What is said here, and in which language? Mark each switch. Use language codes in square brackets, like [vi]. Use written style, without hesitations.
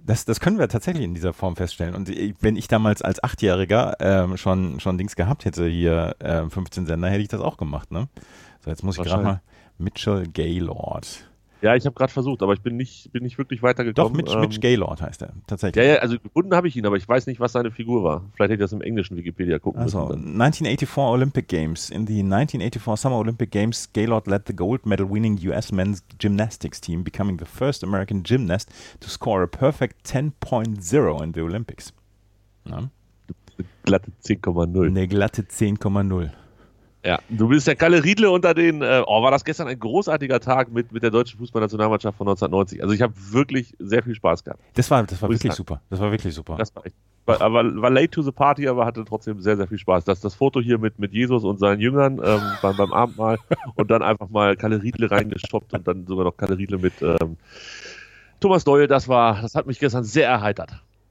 [de] Das können wir tatsächlich in dieser Form feststellen. Und wenn ich damals als Achtjähriger schon Dings gehabt hätte, hier 15 Sender, hätte ich das auch gemacht. Ne? So, jetzt muss ich gerade mal Mitchell Gaylord. Ja, ich habe gerade versucht, aber ich bin nicht wirklich weitergekommen. Doch, Mitch Gaylord heißt er, tatsächlich. Ja, also gefunden habe ich ihn, aber ich weiß nicht, was seine Figur war. Vielleicht hätte ich das im englischen Wikipedia gucken also, müssen. Also, 1984 Olympic Games. [en] In the 1984 Summer Olympic Games, Gaylord led the gold medal winning US men's gymnastics team, becoming the first American gymnast to score a perfect 10.0 in the Olympics. [de] Na? Eine glatte 10,0. Eine glatte 10,0. Ja, du bist der Kalle Riedle unter den, war das gestern ein großartiger Tag mit der deutschen Fußballnationalmannschaft von 1990. Also ich habe wirklich sehr viel Spaß gehabt. Das war wirklich super. Das war echt. War [en] late to the party, [de] aber hatte trotzdem sehr, sehr viel Spaß. Das Foto hier mit Jesus und seinen Jüngern beim Abendmahl und dann einfach mal Kalle Riedle reingeschoppt und dann sogar noch Kalle Riedle mit Thomas Doyle, das hat mich gestern sehr erheitert.